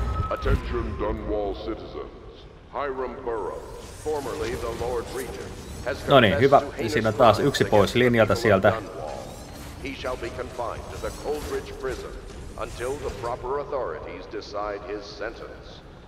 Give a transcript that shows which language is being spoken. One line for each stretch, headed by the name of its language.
English: Attention Dunwall citizens. Hiram Burroughs, formerly the Lord Regent, has
Finnish: no niin, hyvä. Siinä taas yksi pois linjalta sieltä.
English: He shall be confined to the Coldridge prison until the proper authorities decide his sentence.